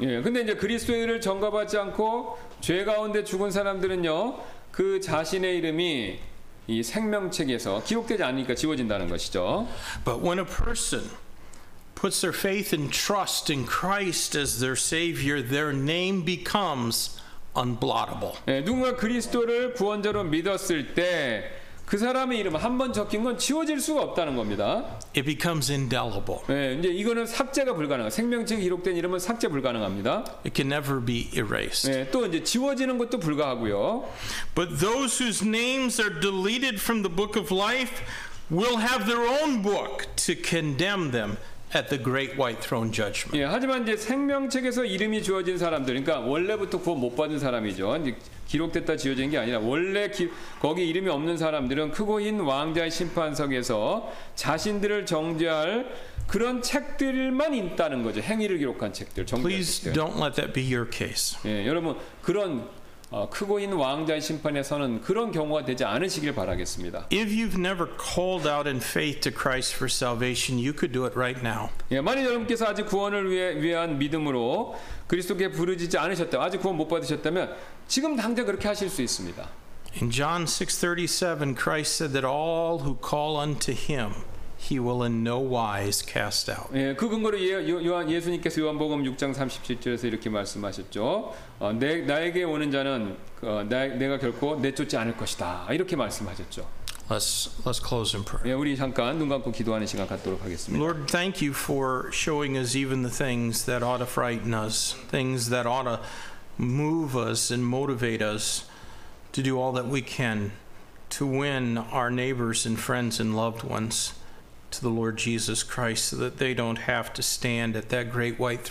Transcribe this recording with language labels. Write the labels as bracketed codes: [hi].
[ko] 예, 근데 이제 그리스도의 의를 전가받지 않고 죄 가운데 죽은 사람들은요. 그 자신의 이름이 이 생명책에서 기록되지 않으니까 지워진다는 것이죠. [en] But when a person puts their faith and trust in Christ as their savior, their name becomes unblottable. [ko] 예, 누군가 그리스도를 구원자로 믿었을 때 그 사람의 이름 한 번 적힌 건 지워질 수가 없다는 겁니다. [en] It becomes indelible. [ko] 예, 이제 이거는 삭제가 불가능. 생명책에 기록된 이름은 삭제 불가능합니다. [en] It can never be erased. [ko] 예, 또 이제 지워지는 것도 불가하고요. [en] But those whose names are deleted from the book of life will have their own book to condemn them at the great white throne judgment. [ko] 예, 하지만 이제 생명책에서 이름이 지워진 사람들, 그러니까 원래부터 구원 못 받은 사람이죠. 기록됐다 지워진 게 아니라 원래 거기 이름이 없는 사람들은 크고 흰 왕자의 심판석에서 자신들을 정죄할 그런 책들만 있다는 거죠. 행위를 기록한 책들, 정죄할 [en] Please [ko] 책들. [en] Don't let that be your case. [ko] 예, 여러분 그런 크고 흰 왕자의 심판에서는 그런 경우가 되지 않으시길 바라겠습니다. [en] If you've never called out in faith to Christ for salvation, you could do it right now. [ko] 예, 만약 여러분께서 아직 구원을 위한 믿음으로 그리스도께 부르짖지 않으셨다면 아직 구원 못 받으셨다면 지금 당장 그렇게 하실 수 있습니다. [en] In John 6:37, Christ said that all who call unto him, he will in no wise cast out. [ko] 예, 그 근거로 예수님께서 요한복음 6장 37절에서 이렇게 말씀하셨죠. 나에게 오는 자는 내가 결코 내쫓지 않을 것이다. 이렇게 말씀하셨죠. [en] Let's close in prayer. [ko] 예, 우리 잠깐 눈 감고 기도하는 시간 갖도록 하겠습니다. [en] Lord, thank you for showing us even the things that ought to frighten us, things that ought to move us and motivate us to do all that we can to win our neighbors and friends and loved ones to the Lord Jesus Christ so that they don't have to stand at that great white throne.